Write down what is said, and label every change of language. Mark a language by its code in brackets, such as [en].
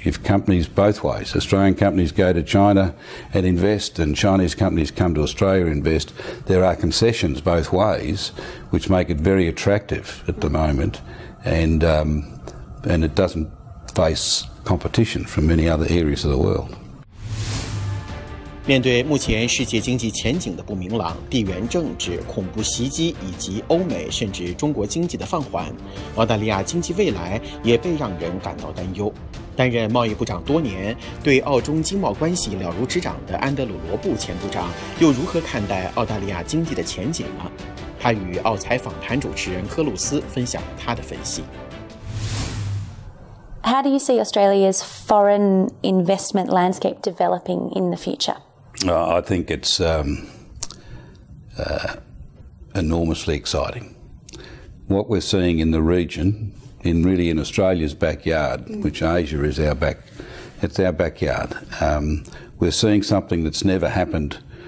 [en] If companies both ways, Australian companies go to China and invest and Chinese companies come to Australia and invest, there are concessions both ways, which make it very attractive at the moment. And it doesn't face competition from many other areas of the world. [zh] 面对目前世界经济前景的不明朗，地缘政治、恐怖袭击以及欧美甚至中国经济的放缓，澳大利亚经济未来也被让人感到担忧。担任贸易部长多年，对澳中经贸关系了如指掌的安德鲁·罗布前部长又如何看待澳大利亚经济的前景呢？他与澳财访谈主持人柯露丝分享了他的分析。 [en] How do you see Australia's foreign investment landscape developing in the future? I think it's enormously exciting. What we're seeing in the region, in Australia's backyard, which Asia is our backyard, we're seeing something that's never happened